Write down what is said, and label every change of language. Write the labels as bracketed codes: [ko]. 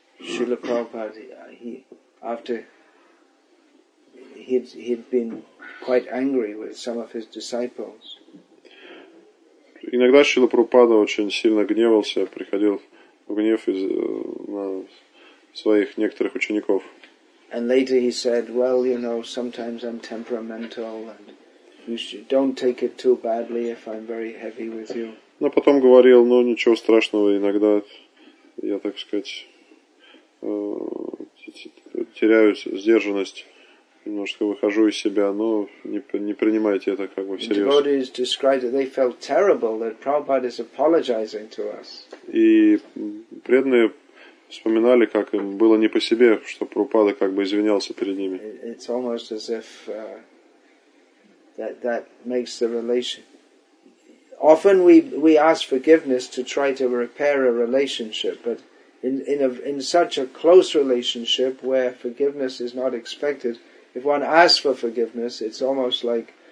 [en] Srila Prabhupada, he'd been quite angry with some of his disciples. [ru] Иногда Шрила Прабхупада очень сильно гневался, приходил в гнев на своих некоторых учеников. [en] And later he said, well, you know, sometimes I'm temperamental and you should don't take it too badly if I'm very heavy with you. [ru] Но потом говорил, ну ничего страшного, иногда я, так сказать, теряю сдержанность, немножко выхожу из себя, но не принимайте это как бы всерьез. [en] Devotees described that they felt terrible that Prabhupada is apologizing to us. [ru] И преданные вспоминали, как им было не по себе, что Прабхупада как бы извинялся перед ними. [en] It's almost as if that makes the relation. Often we ask forgiveness to try to repair a relationship, but in such a close relationship where forgiveness is not expected, if one asks for forgiveness, it's almost like